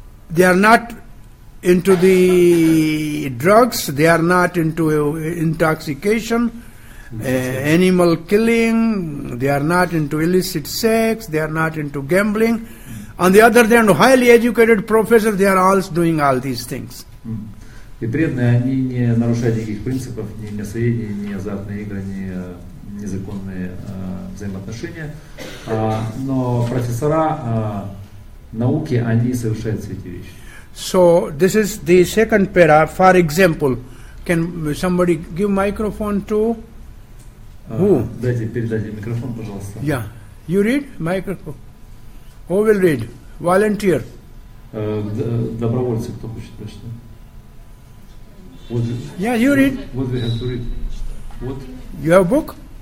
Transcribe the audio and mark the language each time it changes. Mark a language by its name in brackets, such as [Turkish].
[English] They are not into the drugs, they are not into intoxication, animal killing, they are not into illicit sex, they are not into gambling. On the other hand, highly educated professors, they are all doing all these things. [Russian] И преданные, они не нарушают никаких принципов, ни мясоедения, ни азартные игры, ни незаконные взаимоотношения. Но профессора науки, они совершают все эти вещи. [English] So this is the second para. For example, can somebody give microphone to who? [Russian] Дайте, передайте микрофон, пожалуйста. [English] Yeah. You read microphone. Who will read? Volunteer. [Russian] Добровольцы, кто хочет прочитать? [English] Yeah, you read. What we have to read? What? You have book?